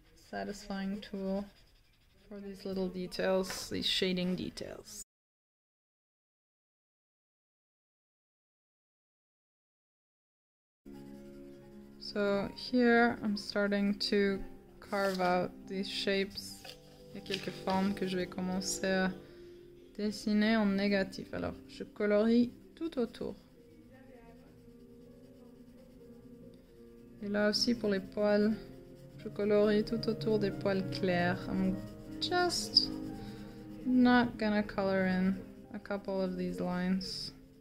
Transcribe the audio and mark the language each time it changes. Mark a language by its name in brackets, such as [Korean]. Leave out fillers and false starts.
[English] Satisfying tool. For these little details, these shading details. So here I'm starting to carve out these shapes. [French] Il y a quelques formes que je vais commencer à dessiner en négatif. Alors, je colorie tout autour. Et là aussi pour les poils, je colorie tout autour des poils clairs. [English] I'm just not gonna color in a couple of these lines.